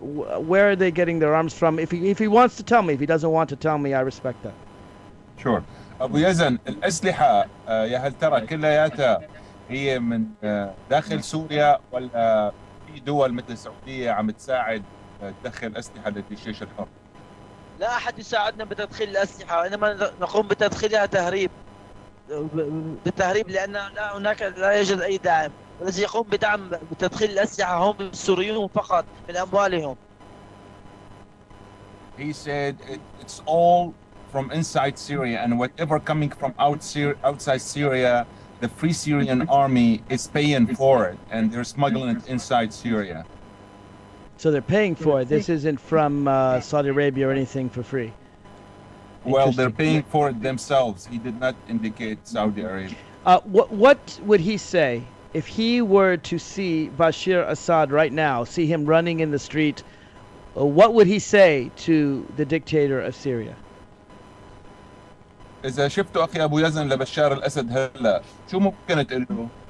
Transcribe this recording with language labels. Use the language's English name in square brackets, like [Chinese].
[English] Where are they getting their arms from? If he wants to tell me, if he doesn't want to tell me, I respect that. Sure. [Arabic] Abu Yazan, al-aslaha, ya hal tara kullayata, hiya min dakhil Syria wal في دول مثل السعودية عم تساعد تدخل أسلحة للجيش الحر. لا أحد يساعدنا بتدخيل الأسلحة، إنما نقوم بتدخيلها تهريب. بالتهريب لأن لا هناك لا يوجد أي داعم. الذي يقوم بدعم بتدخيل الأسلحة هم السوريون فقط من أموالهم. [English] He said it's all from inside Syria and whatever coming from outside Syria. The Free Syrian Army is paying for it, and they're smuggling it inside Syria. So they're paying for it. This isn't from Saudi Arabia or anything for free. Well, they're paying for it themselves. He did not indicate Saudi Arabia. What would he say if he were to see Bashar Assad right now, see him running in the street? What would he say to the dictator of Syria? [Arabic] إذا شفتوا أخي أبو يزن لبشار الأسد هلا شو ممكن تقول له؟